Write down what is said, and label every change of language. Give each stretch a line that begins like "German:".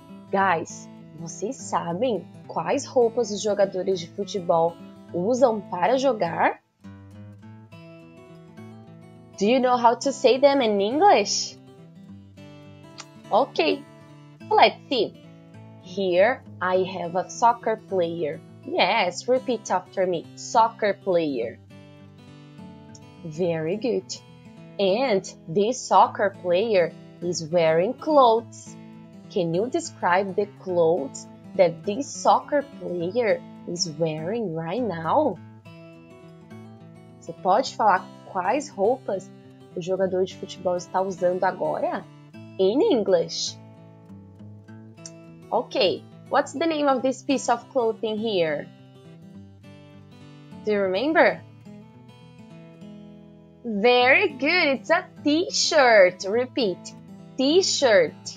Portuguese: Guys, vocês sabem quais roupas os jogadores de futebol usam para jogar?
English: Do you know how to say them in English? Okay, let's see. Here I have a soccer player. Yes, repeat after me. Soccer player. Very good. And this soccer player is wearing clothes. Can you describe the clothes that this soccer player is wearing right now?
Portuguese: Você pode falar quais roupas o jogador de futebol está usando agora?
English: In English. Okay, what's the name of this piece of clothing here? Do you remember? Very good, it's a t-shirt. Repeat, t-shirt.